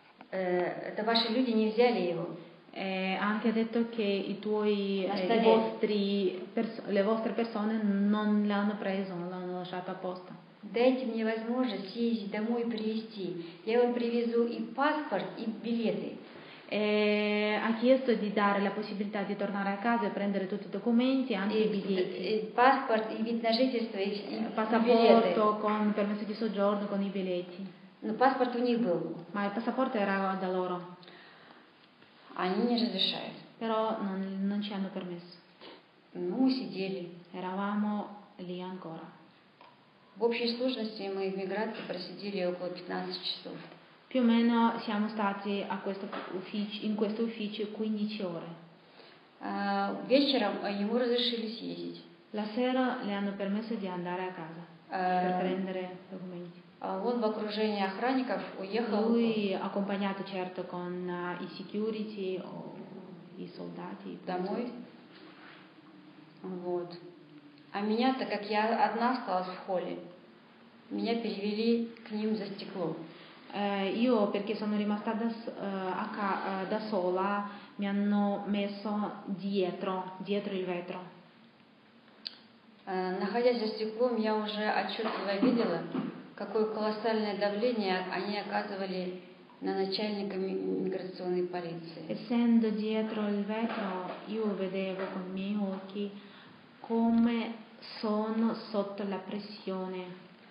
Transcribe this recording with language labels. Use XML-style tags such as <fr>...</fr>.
<ru>Это ваши люди не взяли его.</ru> <it>E anche ha detto che i tuoi, le vostre persone non le hanno preso, non l'hanno lasciato apposta.</it> <ru>Дайте мне возможность съездить домой и привезти. Я вам привезу и паспорт, и билеты.</ru> <it>E ha chiesto di dare la possibilità di tornare a casa e prendere tutti i documenti, anche i biglietti.</it> <ru>Passport, il vid na zhitelstvo, i</ru> <it>passaporto con permesso di soggiorno, con i biglietti.</it> <ru>No, passport u nich byl.</ru> <it>Ma il passaporto era da loro.</it> <ru>Они не разрешают.</ru> <it>Però non ci hanno permesso.</it> <ru>Ну, сидели.</ru> <it>Eravamo lì ancora.</it> <ru>В общей сложности мы в миграции просидели около 15 часов.</ru> <it>Più o meno siamo stati a questo ufficio, in questo ufficio 15 ore.</it> <ru>Вечером ему разрешили съездить.</ru> <it>La sera le hanno permesso di andare a casa per prendere documenti.</it> <ru>Он в окружении охранников уехал.</ru> <it>Lui accompagnato certo con i security o i soldati.</it> <ru>Домой. Вот. А меня-то, как я одна осталась в холле, меня перевели к ним за стекло.</ru> <it>Io perché sono rimasta da sola mi hanno messo dietro il vetro.</it> <ru>Находясь за стеклом, я уже отчетливо видела, какое колоссальное давление они оказывали на начальника миграционной полиции.</ru> <it>Essendo dietro il vetro, io vedevo con i miei occhi come sono sotto la pressione.</it>